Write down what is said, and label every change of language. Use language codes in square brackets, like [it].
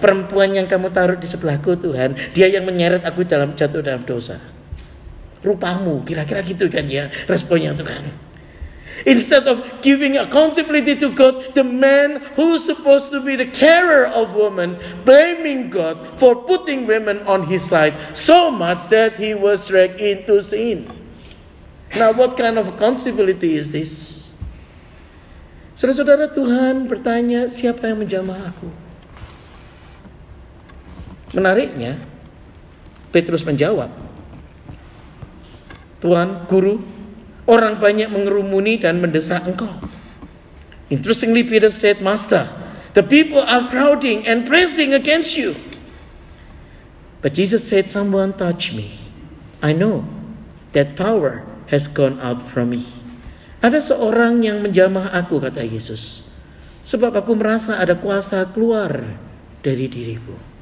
[id] Perempuan yang kamu taruh di sebelahku, Tuhan, dia yang menyeret aku dalam jatuh dalam dosa. Rupamu, kira-kira gitu kan ya responnya Tuhan. [en] Instead of giving accountability to God, the man who's supposed to be the carer of woman, blaming God for putting women on his side so much that he was dragged into sin. Now, what kind of accountability is this? [id] Saudara-saudara, Tuhan bertanya, siapa yang menjamah aku? Menariknya, Petrus menjawab, Tuhan, guru, orang banyak mengerumuni dan mendesak engkau. [en] Interestingly, Peter said, Master, the people are crowding and pressing against you. But Jesus said, someone touched me. I know that power has gone out from me. [id] Ada seorang yang menjamah aku, kata Yesus. Sebab aku merasa ada kuasa keluar dari diriku.